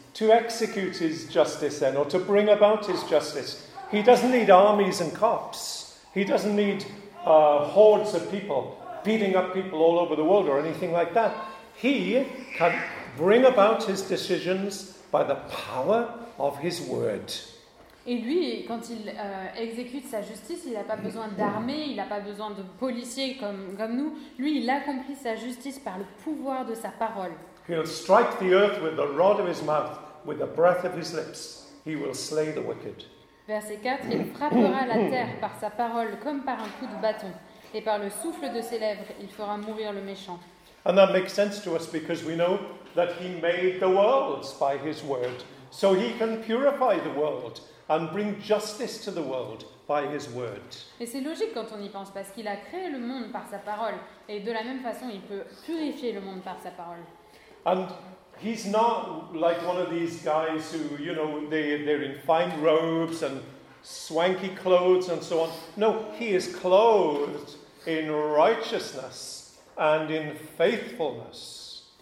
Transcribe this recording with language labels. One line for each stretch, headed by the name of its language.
English: To execute his justice then, or to bring about his justice. He doesn't need armies and cops. He doesn't need hordes of people beating up people all over the world or anything like that. He can bring about his decisions by the power of his word.
French: Et lui, quand il exécute sa justice, il n'a pas besoin d'armées, il n'a pas besoin de policiers comme nous. Lui, il accomplit sa justice par le pouvoir de sa parole.
English: He'll strike the earth with the rod of his mouth, with the breath of his lips. He will slay the wicked.
French: Verset 4, il frappera la terre par sa parole comme par un coup de bâton, et par le souffle de ses lèvres, il fera mourir le méchant.
English: And that makes sense to us because we know that he made the worlds by his word, so he can purify the world and bring justice to the world by his word.
French: Et c'est logique quand on y pense, parce qu'il a créé le monde par sa parole, et de la même façon, il peut purifier le monde par sa parole.
English: And he's not like one of these guys who, you know, they're in fine robes and swanky clothes and so on. No, he is clothed in righteousness and in faithfulness.